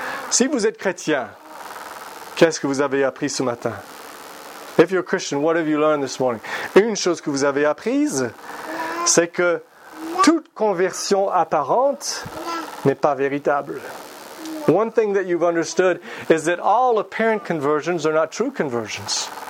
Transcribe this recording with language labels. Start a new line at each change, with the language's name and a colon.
French: Si vous êtes chrétien, qu'est-ce que vous avez appris ce matin?
English: If you're a Christian, what have you learned this morning?
French: Une chose que vous avez apprise, c'est que toute conversion apparente n'est pas véritable.
English: One thing that you've understood is that all apparent conversions are not true conversions.